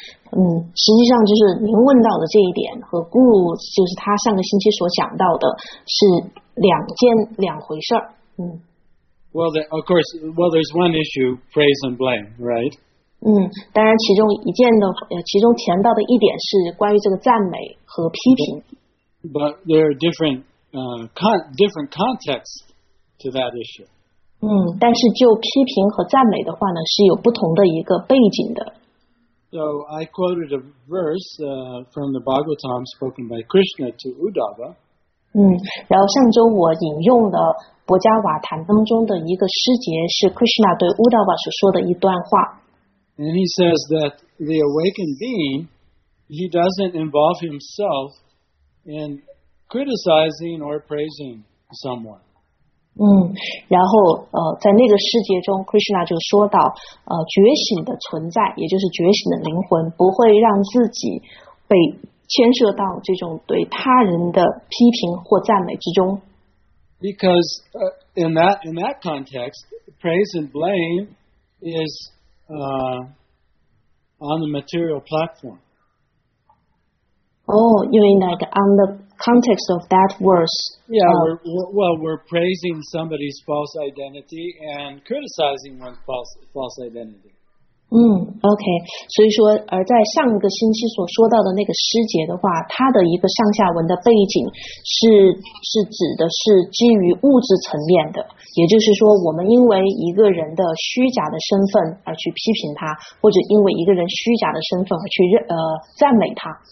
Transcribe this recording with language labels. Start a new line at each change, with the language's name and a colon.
Chinese: 实际上就是您问到的这一点和顾就是他上个星期所讲到的是两回事儿。
English: Well, there's one issue, praise and blame, right?
Chinese: 当然其中一件的，其中提到的一点是关于这个赞美和批评。
English: But there are different contexts to that issue.
Chinese: 但是就批评和赞美的话呢，是有不同的一个背景的。
English: So I quoted a verse from the Bhagavatam spoken by Krishna to Uddhava.
Chinese: 然后上周我引用的《薄伽瓦坛》当中的一个诗节是 Krishna 对 Uddhava 所说的一段话。
English: And he says that the awakened being, he doesn't involve himself in criticizing or praising someone.
Chinese: 然后在那个诗节中 ，Krishna 就说到，觉醒的存在，也就是觉醒的灵魂，不会让自己被牵涉到这种对他人的批评或赞美之中。
English: Because in that context, praise and blame is on the material platform. Oh, you mean like on the context of that verse? Yeah, we're praising somebody's false identity and criticizing one's false identity.
Chinese: OK, 所以说而在上一个星期所说到的那个诗节的话，它的一个上下文的背景是指的是基于物质层面的，也就是说我们因为一个人的虚假的身份而去批评他，或者因为一个人虚假的身份而去赞美他。